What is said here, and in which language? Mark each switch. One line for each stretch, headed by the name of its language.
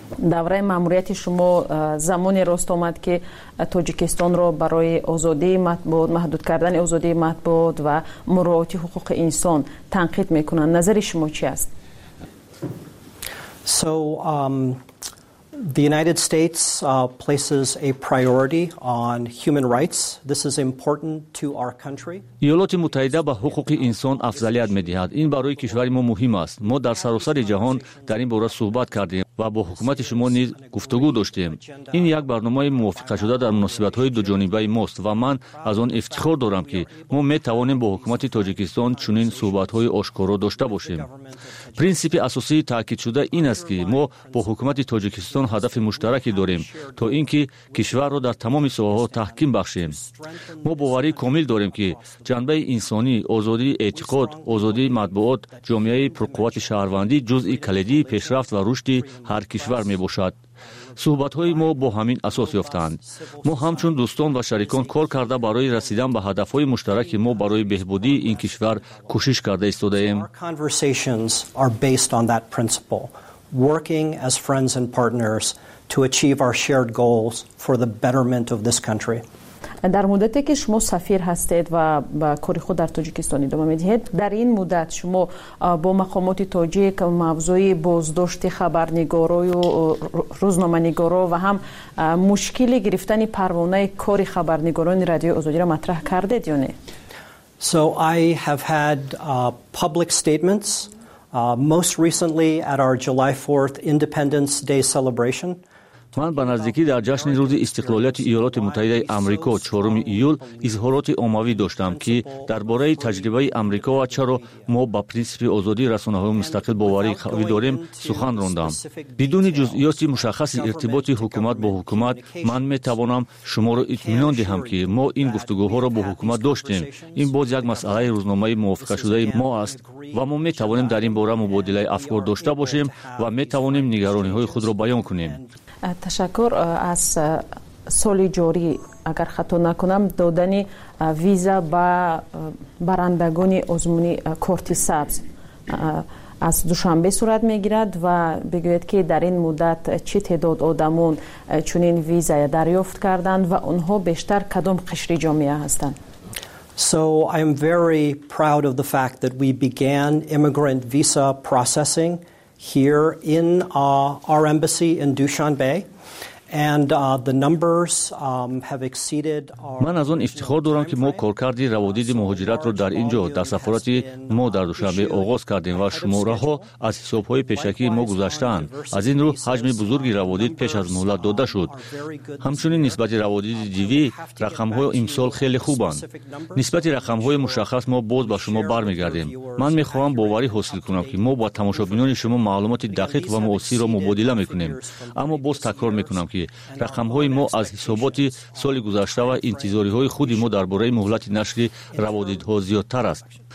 Persian: دوره ماموریت شما زمانی راست آمد که تاجیکستان را برای آزادی مطبوعات، محدود کردن آزادی مطبوعات و مراعات حقوق انسان تنقید میکنند. نظر شما چی است؟
English: The United States places a priority on human rights. This is important to our country.
Persian: ایالات متحده به حقوق انسان افضلیت می‌دهد. این برای کشور ما مهم است. ما در سراسر جهان در این باره صحبت کردیم و با حکومت شما نیز گفتگو داشتیم. این یک برنامه موافقه شده در مناسبت‌های دو جانبه ماست و من از آن افتخار دارم که ما می‌توانیم با حکومت تاجیکستان چنین صحبت‌های آشکارا داشته باشیم. پرینسیپ اساسی تاکید شده این است که ما با حکومت تاجیکستان هدف مشترکی داریم تا اینکه کشور را در تمام ساحه‌ها تحکیم بخشیم. ما باوری کامل داریم که جنبه انسانی، آزادی اعتقاد، آزادی مطبوعات، جامعه پرقوت شهروندی جزئی کلیدی پیشرفت و رشد هر کشور میباشد. صحبت‌های ما با همین اساس یافتند. ما همچون دوستان و شریکان کار کرده برای رسیدن به هدف‌های مشترک ما برای بهبودی این کشور کوشش کرده ایستاده‌ایم.
English: Working as friends and partners to achieve our shared goals for the betterment of this country.
Persian: در مدتی که شما سفیر هستید و با کار خود در تاجیکستان ادامه میدهید، در این مدت شما با مقامات تاجیک موضوع بازداشت خبرنگارا و روزنامه‌نگارا و هم مشکل گرفتن پروانه کار خبرنگاران رادیو آزادی را مطرح کردید یا نه؟
English: So I have had public statements Most recently at our July 4th Independence Day celebration.
Persian: من به نزدیکی در جشن روز استقلالیت ایالات متحده آمریکا 4 ایول اظهارات عمومی داشتم که درباره تجربه آمریکا و چرا ما به پرنسپ آزادی رسانه‌های مستقل باوری قوی داریم سخن راندم. بدون جزئیات مشخص ارتباط حکومت با حکومت من میتوانم شما را اطمینان دهم که ما این گفتگوها را با حکومت داشتیم. این باز یک مسئله روزنامه موافقه شده ما است و ما میتوانیم در این باره مبادله افکار داشته باشیم و میتوانیم نگرانی‌های خود را بیان کنیم. تشکر. از سال جاری اگر خطا نکنم دادن ویزا به برندگان آزمونی کارت سبز از دوشنبه صورت میگیرد و بگوید که در این مدت چه تعداد آدمون چنین ویزا دریافت کردند و اونها بیشتر کدام قشر جامعه هستند؟
English: So I am very proud of the fact that we began immigrant visa processing here in our embassy in Dushanbe and the numbers have exceeded our
Persian: من از اون افتخار دارم که ما کارکردی روادید مهاجرت رو در اینجا در سفارت ما در دوشنبه آغاز کردیم و شماره ها از حساب های پیشکی ما گذشتن از این رو حجم بزرگی روادید پیش از مهلت داده شد همچنین نسبت روادید دیوی رقم های امسال خیلی خوبند نسبت رقم های مشخص ما باز به شما برمیگردیم من میخواهم باوری حاصل کنم که ما با تماشابینان شما معلومات دقیق و موثر رو مبادله میکنیم اما باز تکرار میکنم که رقم های ما از حسابات سال گذشته و انتظاری های خود ما درباره مهلت نشر روادید ها زیادتر است